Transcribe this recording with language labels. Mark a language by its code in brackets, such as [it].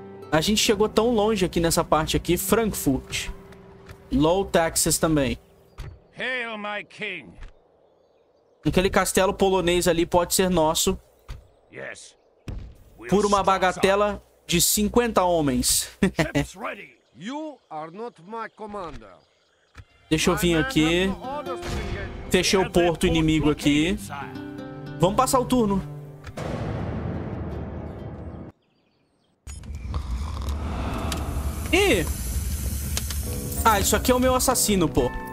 [pt] A gente chegou tão longe aqui nessa parte aqui. Frankfurt. Low taxes também. [en] Hail my king. [pt] Aquele castelo polonês ali pode ser nosso. Yes. Por uma bagatela de 50 homens. [en] Ships ready. You are not my commander. [pt] Deixa eu vir aqui. Fechei o porto inimigo aqui. Vamos passar o turno. Ih! Ah, isso aqui é o meu assassino, pô.